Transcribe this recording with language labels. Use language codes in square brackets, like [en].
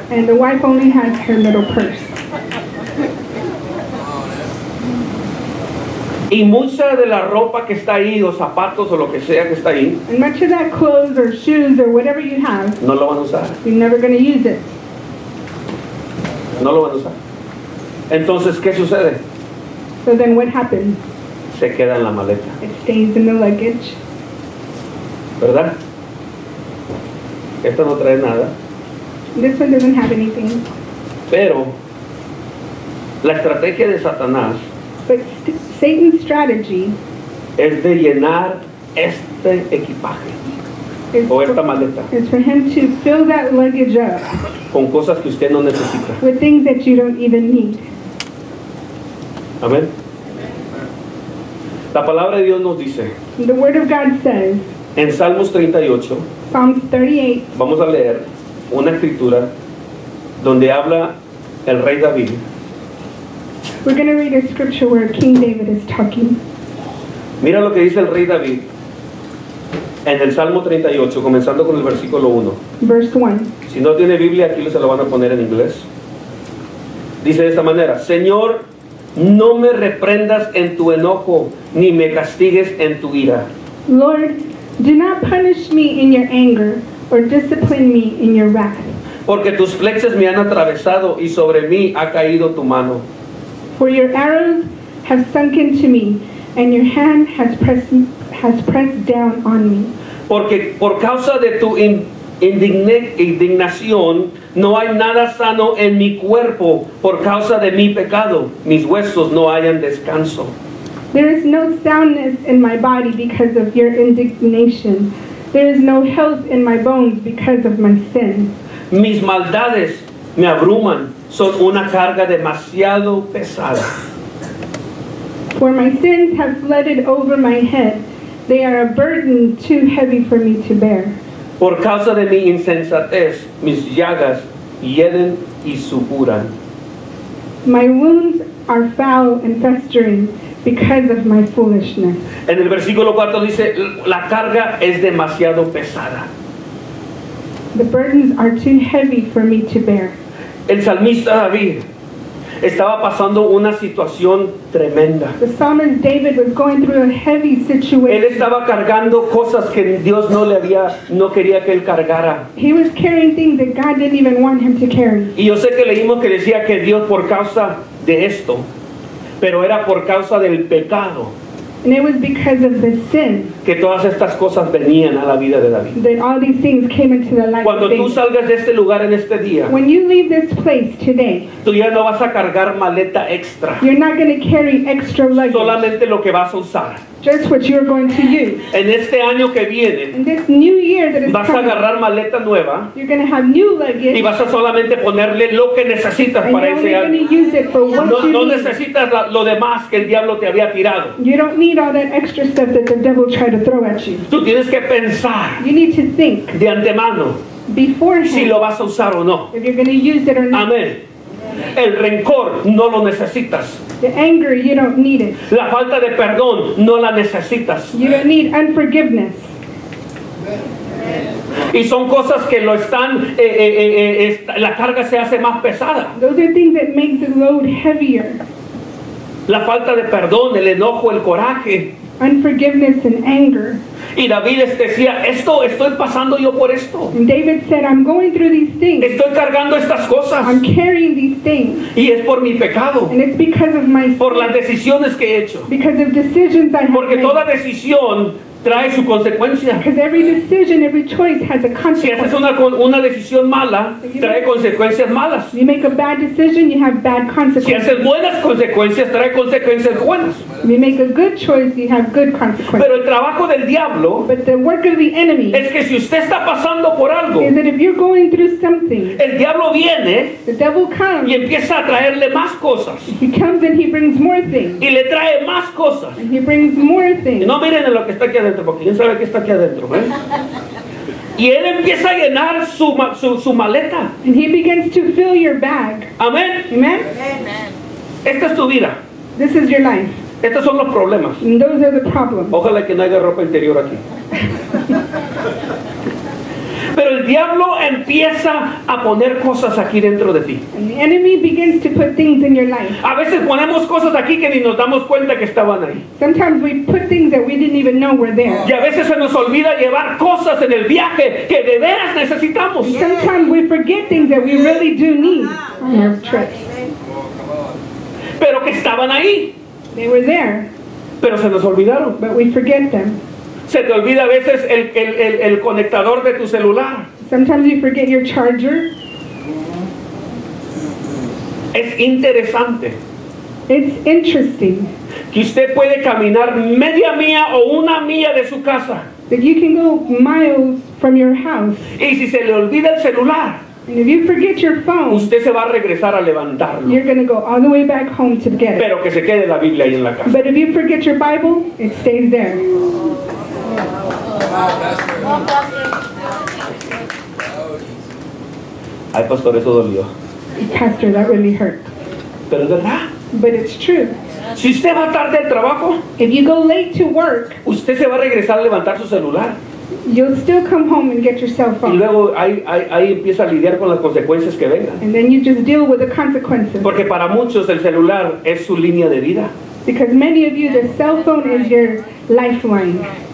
[en] And the wife only has her little purse. [es] Y mucha de la ropa que está ahí, o zapatos o lo que sea que está ahí. [en] And much of that clothes or shoes or whatever you have. [es] No lo van a usar. [en] You're never going to use it. [es] No lo van a usar. Entonces, ¿qué sucede? [en] So then what happens? [es] Se queda en la maleta. [en] It stays in the luggage. [es] ¿Verdad? Esto no trae nada. [en] This one doesn't have anything. [es] Pero, la estrategia de Satanás, [en] but Satan's strategy, [es] es de llenar este equipaje. O esta maleta. [en] It's for him to fill that luggage up. [es] Con cosas que usted no necesita. [en] With things that you don't even need. [es] Amén. La palabra de Dios nos dice. [en] The word of God says. [es] En Salmos 38. [en] Psalms 38. [es] Vamos a leer una escritura donde habla el rey David. [en] We're going to read a scripture where King David is talking. [es] Mira lo que dice el rey David. En el Salmo 38, comenzando con el versículo 1. [en] Verse 1. [es] Si no tiene Biblia, aquí se lo van a poner en inglés. Dice de esta manera: Señor, no me reprendas en tu enojo, ni me castigues en tu ira. [en] Lord, do not punish me in your anger, or discipline me in your wrath. [es] Porque tus flechas me han atravesado, y sobre mí ha caído tu mano. [en] For your arrows have sunk into me, and your hand has pressed down on me. [es] Porque por causa de tu indignación no hay nada sano en mi cuerpo, por causa de mi pecado mis huesos no hayan descanso. [en] There is no soundness in my body because of your indignation. There is no health in my bones because of my sin. [es] Mis maldades me abruman, son una carga demasiado pesada. [en] For my sins have flooded over my head. They are a burden too heavy for me to bear. [es] Por causa de mi insensatez, mis llagas hieden y supuran. [en] My wounds are foul and festering because of my foolishness. [es] En el versículo 4 dice, la carga es demasiado pesada. [en] The burdens are too heavy for me to bear. [es] El salmista David estaba pasando una situación tremenda. [en] The psalmist David was going through a heavy situation. [es] Él estaba cargando cosas que Dios no quería que él cargara. [en] He was carrying things that God didn't even want him to carry. [es] Y yo sé que leímos que decía que Dios por causa de esto, pero era por causa del pecado. [en] And it was because of the sin. [es] Que todas estas cosas venían a la vida de David. [en] That all these things came into the life. [es] Cuando tú salgas de este lugar en este día. [en] When you leave this place today. [es] Tú ya no vas a cargar maleta extra. [en] You're not going to carry extra luggage. [es] Solamente lo que vas a usar. [en] Just what you're going to use. [es] En este año que viene. [en] In this new year that is [es] vas [en] coming. [es] Vas a agarrar maleta nueva. [en] You're going to have new luggage. [es] Y vas a solamente ponerle lo que necesitas [en] and [es] para ese año. [en] And you're going to use it for what [es] no, [en] you need. [es] No necesitas lo demás que el diablo te había tirado. [en] You don't need all that extra stuff that the devil tried to throw at you. [es] Tú tienes que pensar. [en] You need to think. [es] De antemano. [en] Beforehand. [es] Si lo vas a usar o no. [en] If you're going to use it or not. [es] Amén. El rencor no lo necesitas. [en] The anger, you don't need it. [es] La falta de perdón no la necesitas. [en] You don't need unforgiveness. [es] Y son cosas que lo están la carga se hace más pesada. [en] Those are things that make the load heavier. [es] La falta de perdón, el enojo, el coraje. [en] Unforgiveness and anger. [es] Y David decía, esto estoy pasando yo por esto. [en] And David said, I'm going through these things. [es] Estoy cargando estas cosas. [en] I'm carrying these things. [es] Y es por mi pecado. [en] And it's because of my sin. [es] Por las decisiones que he hecho. [en] Because of decisions I have [es] Porque [en] made. [es] Toda decisión trae su consecuencia. [en] Because every decision, every choice has a consequence. [es] Si haces una decisión mala, trae consecuencias malas. [en] You make a bad decision, you have bad consequences. [es] Si haces buenas consecuencias, trae consecuencias buenas. [en] You make a good choice, you have good consequences. [es] Pero el trabajo del diablo, [en] but the work of the enemy, [es] es que si usted está pasando por algo, [en] is that if you're going through something, [es] el diablo viene, [en] the devil comes, [es] y empieza a traerle más cosas. [en] He comes and he brings more things. [es] Y le trae más cosas. [en] And he brings more things. [es] Y no miren en lo que está aquí adentro, porque quién sabe qué está aquí adentro, ¿eh? Y él empieza a llenar su maleta. [en] And he begins to fill your bag. [es] Amén. [en] Amen. [es] Esta es tu vida. [en] This is your life. [es] Estos son los problemas. [en] And those are the problems. [es] Ojalá que no haya ropa interior aquí. Pero el diablo empieza a poner cosas aquí dentro de ti. [en] And the enemy begins to put things in your life. [es] A veces ponemos cosas aquí que ni nos damos cuenta que estaban ahí. [en] Sometimes we put things that we didn't even know were there. [es] Y a veces se nos olvida llevar cosas en el viaje que de veras necesitamos. [en] And sometimes we forget things that we really do need on our trips. [es] Pero que estaban ahí. [en] They were there. [es] Pero se nos olvidaron. [en] But we forget them. [es] Se te olvida a veces el conectador de tu celular. [en] Sometimes you forget your charger. [es] Es interesante. [en] It's interesting. [es] Que usted puede caminar media milla o una milla de su casa. [en] That you can go miles from your house. [es] Y si se le olvida el celular. [en] And if you forget your phone, [es] usted se va a regresar a levantarlo. [en] You're going to go all the way back home to get it. [es] Pero que se quede la Biblia ahí en la casa. [en] But if you forget your Bible, it stays there. [es] Ay, pastor, eso dolió. [en] Pastor, that really hurt. [es] Pero es verdad. [en] But it's true. [es] Si usted va tarde al trabajo, [en] if you go late to work, [es] usted se va a regresar a levantar su celular. [en] You'll still come home and get your cell phone. [es] Y luego ahí empieza a lidiar con las consecuencias que vengan. [en] And then you just deal with the consequences. [es] Porque para muchos el celular es su línea de vida. [en] Because many of you, the cell phone is your lifeline.